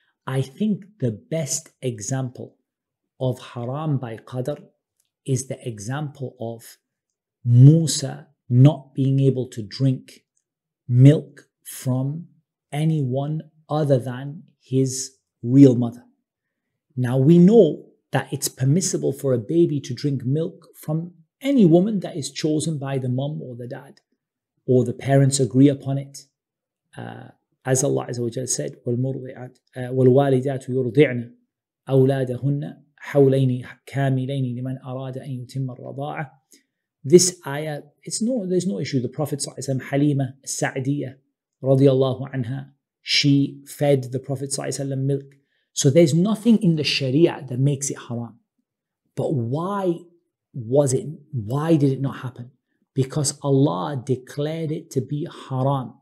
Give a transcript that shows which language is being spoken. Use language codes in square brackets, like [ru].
[en] I think the best example of haram by qadr is the example of Musa not being able to drink milk from anyone other than his real mother. Now, we know that it's permissible for a baby to drink milk from any woman that is chosen by the mom or the dad, or the parents agree upon it. As Allah Azza wa Jalla said, [ar] وَالْوَالِدَاتُ يُرْضِعْنَ أَوْلَادَهُنَّ حَوْلَيْنِ كَامِلَيْنِ لِمَنْ أَرَادَ أَن يُتِمَّ الرَّضَاعَةِ. [en] this ayah, there's no issue. The Prophet ﷺ, Halima Sa'diyah radiallahu anha, she fed the Prophet ﷺ milk. So there's nothing in the Sharia that makes it haram. But why was it? Why did it not happen? Because Allah declared it to be haram.